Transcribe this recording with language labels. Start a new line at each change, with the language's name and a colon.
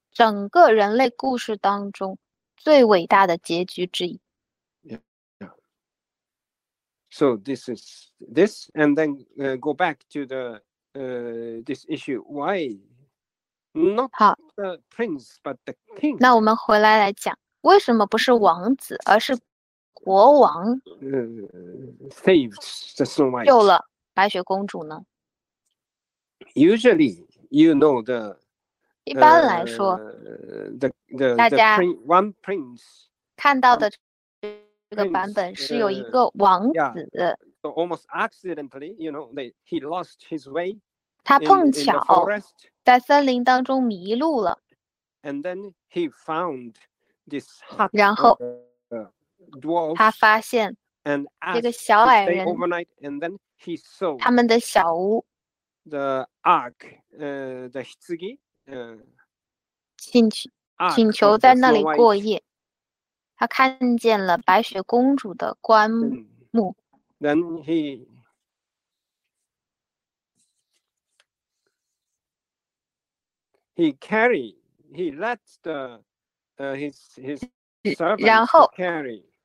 Chinese: 整个人类故事当中最伟大的结局之一。
English: Yeah. Yeah. So this is this, and then go back to the this issue, why not the prince but the king?
Chinese: 那我们回来来讲，为什么不是王子，而是国王？
English: Saved the Snow White,
Chinese: 救了白雪公主呢？
English: Usually, you know the
Chinese: 一般来说
English: the one prince
Chinese: 看到的这个版本是有一个王子。
English: Yeah, so almost accidentally, you know, he lost his way.
Chinese: 他碰巧在森林当中迷路了。
English: And then he found this hut,
Chinese: 然后
English: dwarf,
Chinese: 他发现这个小矮人
English: overnight, and then he saw
Chinese: 他们的小屋
English: the ark, the 棺
Chinese: 请求请求在那里过夜。他看见了白雪公主的棺木。
English: Then he,He carry, he let the, his servant carry.